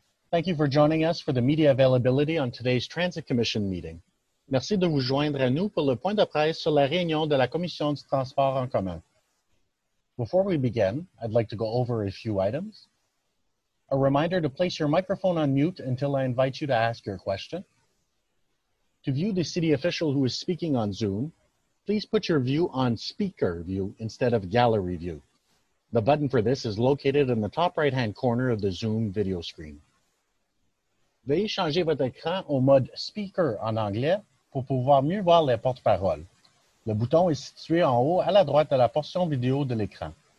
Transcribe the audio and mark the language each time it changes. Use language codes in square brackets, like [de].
[en] Thank you for joining us for the media availability on today's Transit Commission meeting. [fr] Merci de vous joindre à nous pour le point de presse sur la réunion de la Commission du transport en commun. [en] Before we begin, I'd like to go over a few items. A reminder to place your microphone on mute until I invite you to ask your question. To view the city official who is speaking on Zoom, please put your view on speaker view instead of gallery view. The button for this is located in the top right-hand corner of the Zoom video screen. [fr] Veuillez changer votre écran au mode speaker en anglais pour pouvoir mieux voir les porte-paroles. Le bouton est situé en haut à la droite de la portion vidéo de l'écran.